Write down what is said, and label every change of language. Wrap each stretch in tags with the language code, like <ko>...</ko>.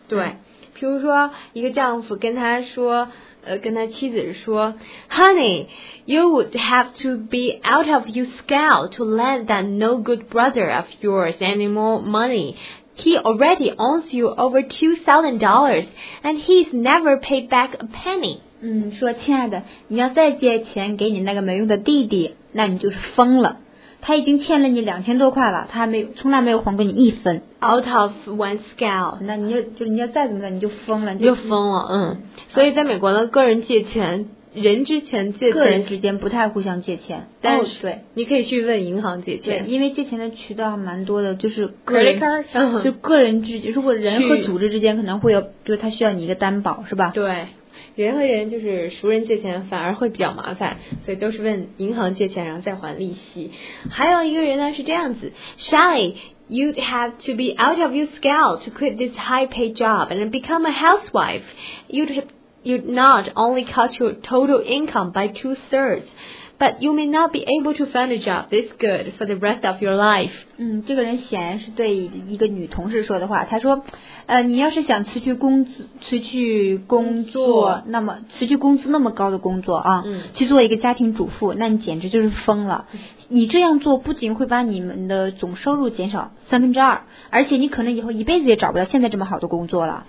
<zh>对，比如说一个丈夫跟他说，跟他妻子说</zh> <en>，Honey, you would have to be out of your skull to lend that no good brother of yours any more money. He already owes you over $2,000, and he's never paid back a penny.</en> <zh>说亲爱的，你要再借钱给你那个没用的弟弟。那你就是疯了，他已经欠了你2000多块了，他还没有，从来没有还过你一分。</zh> <en>Out of one scale，</en> <zh>那你要就你要再怎么的，你就疯了，就疯了。所以在美国呢，个人借钱，人之前借钱，个人之间不太互相借钱，但是对，你可以去问银行借钱，因为借钱的渠道还蛮多的，就是个人，就个人之间，如果人和组织之间可能会有，就是他需要你一个担保，是吧？对。人和人就是熟人借钱反而会比较麻烦，所以都是问银行借钱然后再还利息。还有一个人呢是这样子</zh> <en>Shelly, you'd have to be out of your skull to quit this high paid job and become a housewife. You'd not only cut your total income by 2/3, but you may not be able to find a job this good for the rest of your life.</en> <zh>这个人显然是对一个女同事说的话，他说你要是想辞去工作那么辞去工资那么高的工作去做一个家庭主妇，那你简直就是疯了。你这样做不仅会把你们的总收入减少2/3，而且你可能以后一辈子也找不到现在这么好的工作了。</zh>